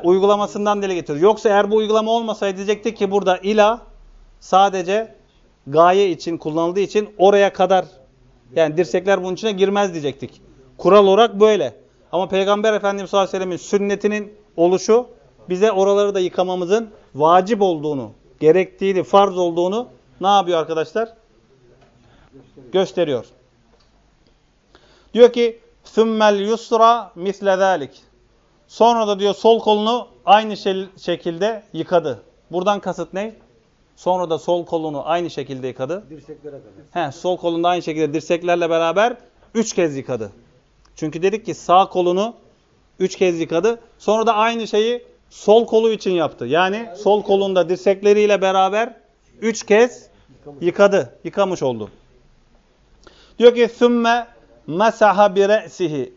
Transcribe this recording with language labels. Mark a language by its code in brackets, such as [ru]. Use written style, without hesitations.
[tr] uygulamasından delil getiriyor. Yoksa eğer bu uygulama olmasaydı diyecektik ki burada ila sadece gaye için kullanıldığı için oraya kadar, yani dirsekler bunun içine girmez diyecektik. Kural olarak böyle. Ama Peygamber Efendimiz sallallahu aleyhi ve sellem'in sünnetinin oluşu bize oraları da yıkamamızın vacip olduğunu, gerektiğini, farz olduğunu ne yapıyor arkadaşlar? Gösteriyor. Diyor ki [ar] ثُمَّ الْيُسْرَ مِثْلَ ذَٰلِكَ. [tr] Sonra da diyor sol kolunu aynı şekilde yıkadı. Buradan kasıt ne? Sonra da sol kolunu aynı şekilde yıkadı. Dirseklere kadar. Sol kolunu aynı şekilde dirseklerle beraber 3 kez yıkadı. Çünkü dedik ki sağ kolunu 3 kez yıkadı. Sonra da aynı şeyi sol kolu için yaptı. Yani sol kolunda dirsekleriyle beraber 3 kez yıkadı. Yıkamış oldu. Diyor ki [ar] ثُمَّ مَسَحَ بِرَأْسِهِ.